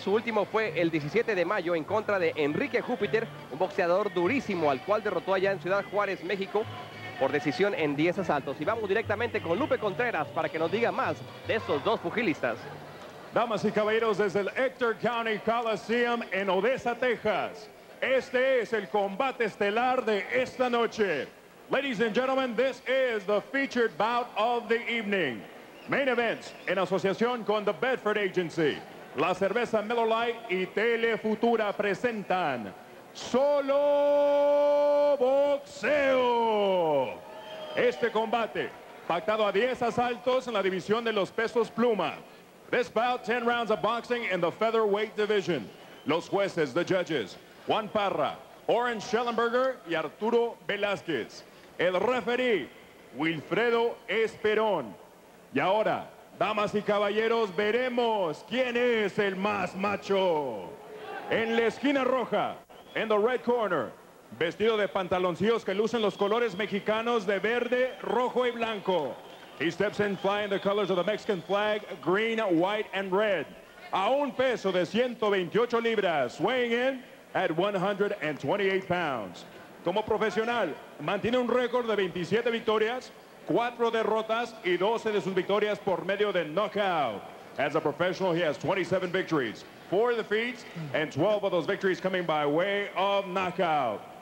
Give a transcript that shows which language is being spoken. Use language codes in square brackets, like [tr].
[es] Su último fue el 17 de mayo en contra de Enrique Júpiter, un boxeador durísimo al cual derrotó allá en Ciudad Juárez, México, por decisión en 10 asaltos. Y vamos directamente con Lupe Contreras para que nos diga más de estos dos pugilistas. Damas y caballeros, desde el Hector County Coliseum en Odessa, Texas, este es el combate estelar de esta noche. [en] Ladies and gentlemen, this is the featured bout of the evening. [es] Main events en asociación con The Bedford Agency, la cerveza Miller Lite y Telefutura presentan Solo Boxeo. Este combate, pactado a 10 asaltos en la división de los pesos pluma. [en] This bout, 10 rounds of boxing in the featherweight division. [es] Los jueces, [en] the judges, [es] Juan Parra, Orange Schellenberger y Arturo Velázquez. El referee, Wilfredo Esperón. Y ahora, damas y caballeros, veremos quién es el más macho. En la esquina roja, en [en] the red corner, [es] vestido de pantaloncillos que lucen los colores mexicanos de verde, rojo y blanco. [en] He steps in flying the colors of the Mexican flag, green, white and red. [es] A un peso de 128 libras, [en] weighing in at 128 pounds. [es] Como profesional, mantiene un récord de 27 victorias, 4 derrotas y 12 de sus victorias por medio de knockout. [en] As a professional, he has 27 victories, 4 defeats, and 12 of those victories coming by way of knockout.